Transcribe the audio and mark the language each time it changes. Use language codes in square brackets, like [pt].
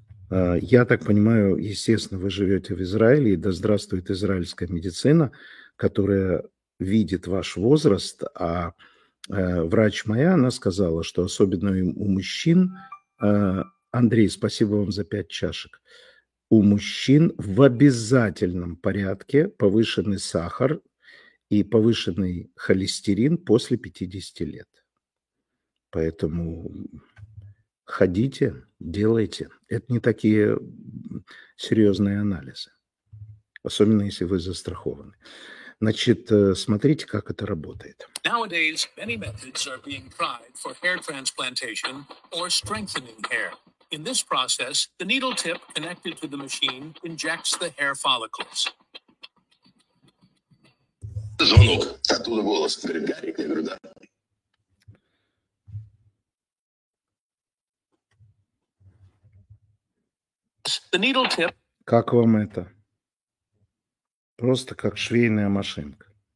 [ru] Я так понимаю, естественно, вы живете в Израиле, и да здравствует израильская медицина, которая видит ваш возраст, а врач моя, она сказала, что особенно у мужчин, Андрей, спасибо вам за 5 чашек, у мужчин в обязательном порядке повышенный сахар и повышенный холестерин после 50 лет. Поэтому ходите, делайте. Это не такие серьезные анализы, особенно если вы застрахованы. Значит, смотрите, как это работает. [en] Nowadays, many methods are being tried for hair transplantation or strengthening hair. In this process, the needle tip connected to the machine injects the hair follicles. [ru] Звонок. Оттуда голос. Говорит, Гарик, я говорю, да. [en] The needle tip. [ru] Как вам это? Просто как швейная машинка.